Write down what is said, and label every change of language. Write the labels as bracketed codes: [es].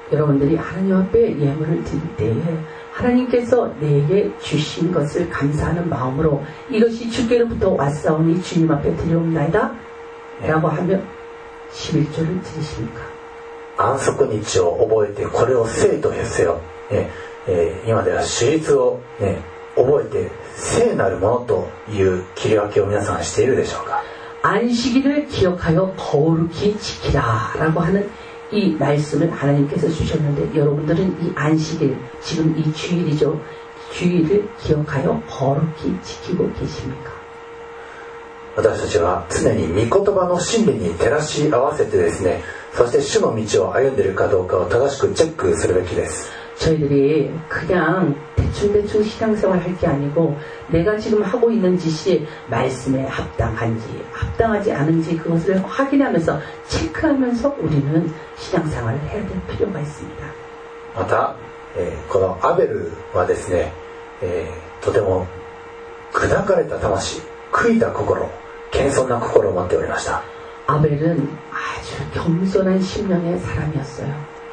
[ko] 여러분들이하나님앞에예물을드릴때에하나님께서내게주신것을감사하는마음으로이것이주께로부터왔사오니주님앞에드려옵나이다라고하면11조를드리십니까 [ja] 安息日を覚えてこれを聖とせよ、ね、今では主日を、ね、覚えて聖なるものという切り分けを皆さんしているでしょうか [ko] 안식일을 기억하여 거룩히 지키라 라고 하는 이 말씀을 하나님께서 주셨는데, 여러분들은 이 안식일, 지금 이 주일이죠, 주일을 기억하여 거룩히 지키고 계십니까? [ja] 私たちは常に御言葉の真理に照らし合わせてですね、そして主の道を歩んでいるかどうかを正しくチェックするべきです。 [ko] 저희들이 그냥 대충대충 신앙생활 할 게 아니고 내가 지금 하고 있는 짓이 말씀에 합당한지 합당하지 않은지 그것을 확인하면서 체크하면서 우리는 신앙생활을 해야 될 필요가 있습니다. 또 [ja] このアベルはですね、とても砕かれた魂、悔いた心、謙遜な心を持っておりました。 [ko] 아벨은 아주 겸손한 심령의 사람이었어요.